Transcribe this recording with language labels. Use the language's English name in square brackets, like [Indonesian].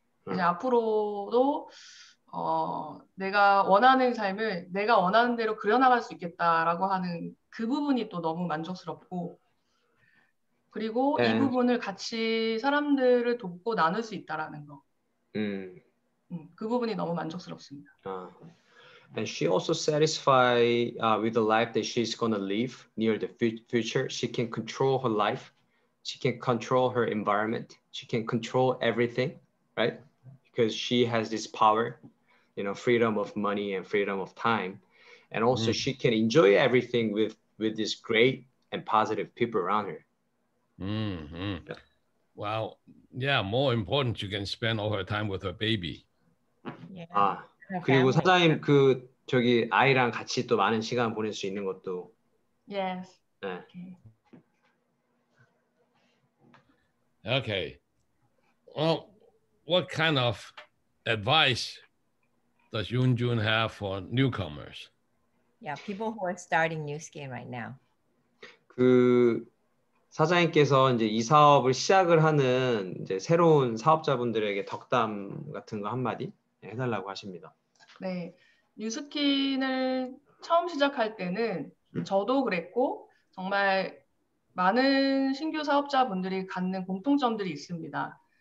[Korean] 이제 앞으로도 내가 원하는 삶을 내가 원하는 대로 그려나갈 수 있겠다라고 하는 그 부분이 또 너무 만족스럽고 그리고 이 부분을 같이 사람들을 돕고 나눌 수 있다라는 거. 그 부분이 너무 만족스럽습니다. [English] And she also satisfied with the life that she's gonna live near the future. She can control her life. She can control her environment. She can control everything, right? Because she has this power. You know, freedom of money and freedom of time. And also she can enjoy everything with this great and positive people around her. Mm-hmm. Yeah. Well, yeah, more important, you can spend all her time with her baby. Yeah. [Korean] 그리고 사장님, 그 저기 아이랑 같이 또 많은 시간 보낼 수 있는 것도. [English] Yes. [Korean] 네. [English] Okay. Well, what kind of advice does Yoon Jun have for newcomers? Yeah, people who are starting Nu Skin right now. [Korean] 그 사장님께서 이제 이 사업을 시작을 하는 이제 새로운 사업자분들에게 덕담 같은 거 한마디 해달라고 하십니다. 네, Nu Skin을 처음 시작할 때는 저도 그랬고 정말 많은 신규 사업자분들이 갖는 공통점들이 있습니다.